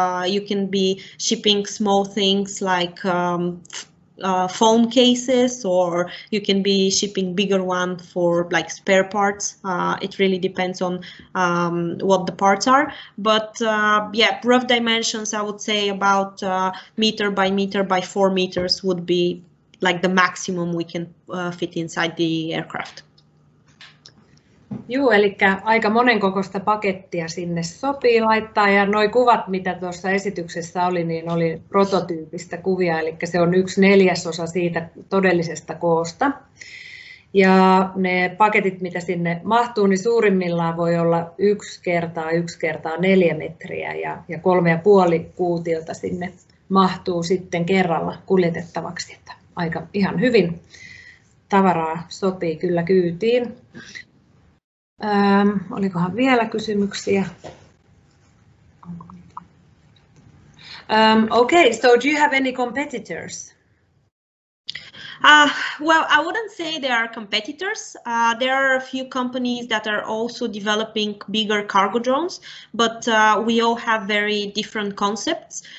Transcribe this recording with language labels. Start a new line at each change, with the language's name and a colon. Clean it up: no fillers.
English: You can be shipping small things like phone cases, or you can be shipping bigger one for like spare parts. It really depends on what the parts are. But yeah, rough dimensions, I would say about meter by meter by 4 meters would be like the maximum we can fit inside the aircraft.
Finnish: Joo, eli aika monen kokoista pakettia sinne sopii laittaa, ja nuo kuvat, mitä tuossa esityksessä oli, niin oli prototyypistä kuvia, eli se on yksi neljäsosa siitä todellisesta koosta. Ja ne paketit, mitä sinne mahtuu, niin suurimmillaan voi olla 1x1x4 metriä, ja 3,5 kuutiota sinne mahtuu sitten kerralla kuljetettavaksi, että aika ihan hyvin tavaraa sopii kyllä kyytiin. Olikohan vielä kysymyksiä?
English: Okay, so do you have any competitors? Well, I wouldn't say they are competitors. There are a few companies that are also developing bigger cargo drones, but we all have very different concepts.